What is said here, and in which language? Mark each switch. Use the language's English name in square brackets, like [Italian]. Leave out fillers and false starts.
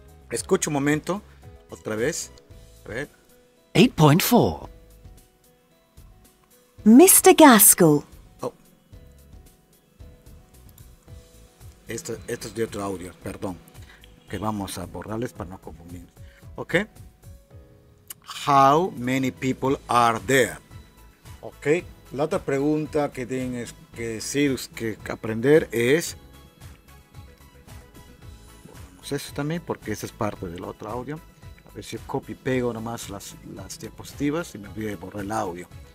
[Spanish] Escucha un momento, otra vez. A ver. 8.4. [English] Mr. Gaskell. Oh. [Spanish] Esto es de otro audio, perdón. Que vamos a borrarles para no confundir. ¿Ok? [English] How many people are there? [Spanish] Ok, la otra pregunta que tienes que decir, que aprender es, pues eso también, porque esa es parte del otro audio. A ver si copio y pego nomás las diapositivas y me olvido de borrar el audio.